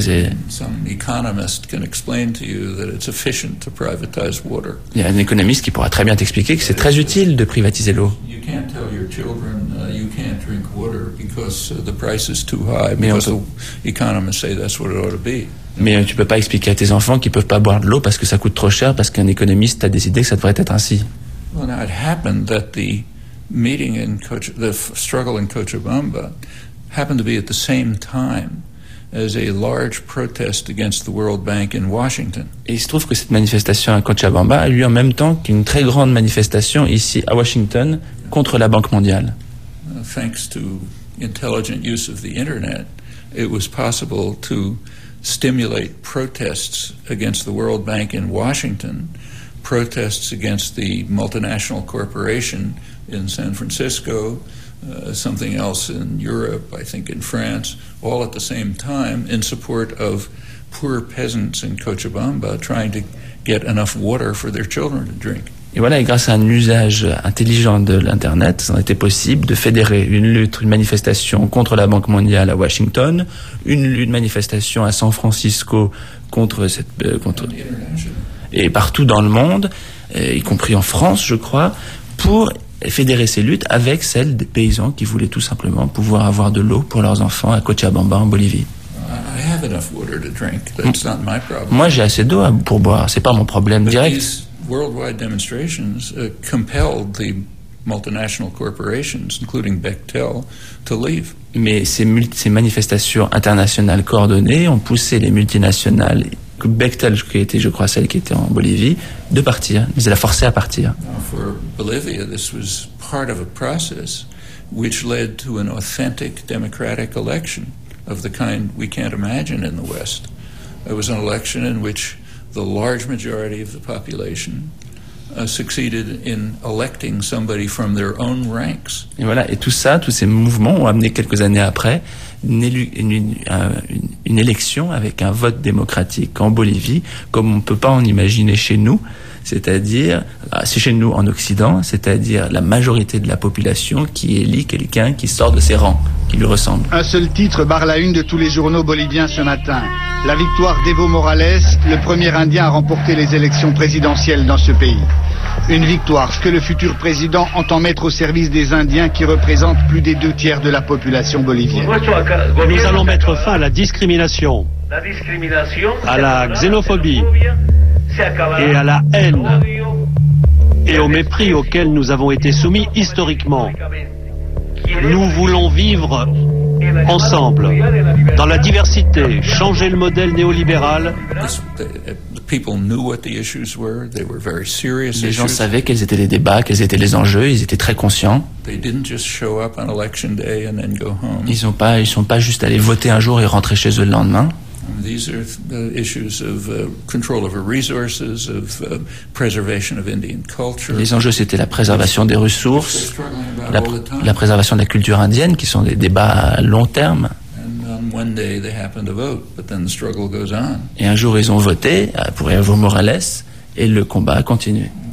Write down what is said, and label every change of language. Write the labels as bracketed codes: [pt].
[en] Some economist can explain to you that it's efficient to privatize water. [fr] Il y a un économiste qui pourra très bien t'expliquer que c'est très utile de privatiser l'eau. [en] You can't tell your children you can't drink water because the price is too high. Because the economists say that's what it ought to be. [fr] Mais tu peux pas expliquer à tes enfants qu'ils peuvent pas boire de l'eau parce que ça coûte trop cher parce qu'un économiste a décidé que ça devrait être ainsi. [en] Well, now it happened that the meeting in the struggle in Cochabamba happened to be at the same time as a large protest against the World Bank in Washington. [fr] Et il se trouve que cette manifestation à Cochabamba a eu en même temps qu'une très grande manifestation ici à Washington contre la Banque mondiale. [en] Thanks to intelligent use of the internet, it was possible to stimulate protests against the World Bank in Washington, protests against the multinational corporation in San Francisco, something else in Europe, I think in France, all at the same time in support of poor peasants in Cochabamba trying to get enough water for their children to drink. [fr] Et voilà, et grâce à un usage intelligent de l'Internet, ça a été possible de fédérer une lutte, une manifestation contre la Banque mondiale à Washington, une manifestation à San Francisco contre cette... Et partout dans le monde, y compris en France, je crois, pour fédérer ces luttes avec celles des paysans qui voulaient tout simplement pouvoir avoir de l'eau pour leurs enfants à Cochabamba, en Bolivie. [en] I have enough water to drink, but it's not my problem. [fr] Moi, j'ai assez d'eau pour boire, c'est pas mon problème direct. [en] But these worldwide demonstrations compelled the multinational corporations, including Bechtel, to leave. [fr] Mais ces manifestations internationales coordonnées ont poussé les multinationales, Bechtel, qui était, je crois, celle qui était en Bolivie, de partir. Ils l'ont forcé à partir. [en] For Bolivia, this was part of a process which led to an authentic democratic election of the kind we can't imagine in the West. It was an election in which the large majority of the population succeeded in electing somebody from their own ranks. [fr] Et voilà, et tout ça, tous ces mouvements ont amené quelques années après une élection avec un vote démocratique en Bolivie, comme on ne peut pas en imaginer chez nous, c'est-à-dire, c'est chez nous en Occident, c'est-à-dire la majorité de la population qui élit quelqu'un qui sort de ses rangs, qui lui ressemble. Un seul titre barre la une de tous les journaux boliviens ce matin. La victoire d'Evo Morales, le premier indien à remporter les élections présidentielles dans ce pays. Une victoire, ce que le futur président entend mettre au service des Indiens qui représentent plus des deux tiers de la population bolivienne. Nous allons mettre fin à la discrimination, à la xénophobie et à la haine et au mépris auxquels nous avons été soumis historiquement. Nous voulons vivre ensemble, dans la diversité, changer le modèle néolibéral. [en] People knew what the issues were. They were very serious issues. [fr] Les gens savaient quels étaient les débats, quels étaient les enjeux. Ils étaient très conscients. [en] They didn't just show up on election day and then go home. [fr] Ils sont pas juste allés voter un jour et rentrer chez eux le lendemain. [en] These are the issues of control over resources, of preservation of Indian culture. [fr] Les enjeux, c'était la préservation des ressources, la préservation de la culture indienne, qui sont des débats à long terme. [en] One day they happen to vote, but then the struggle goes on. [fr] Et un jour ils ont voté pour Evo Morales et le combat a continué.